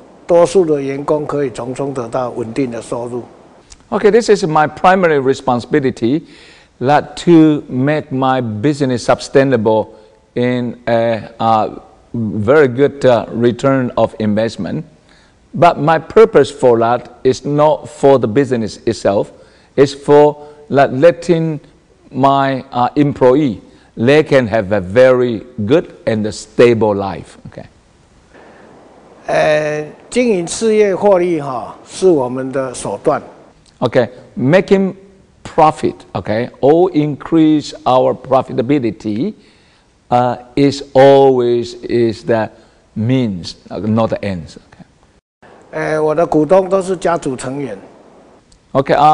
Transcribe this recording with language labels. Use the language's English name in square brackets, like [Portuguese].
[Chinese] 所以呢，我尽量呢将企业经营好，让它获利，也让我多数的员工可以从中得到稳定的收入。 [English] Okay, this is my primary responsibility, that to make my business sustainable in a very good return of investment. But my purpose for that is not for the business itself. It's for letting my employee, they can have a very good and a stable life. Okay. [Chinese] 经营事业获利哈，是我们的手段。 [English] Okay, making profit, okay, or increase our profitability is always is the means, not the ends. Okay. [Chinese] 我的股东都是家族成员。Okay,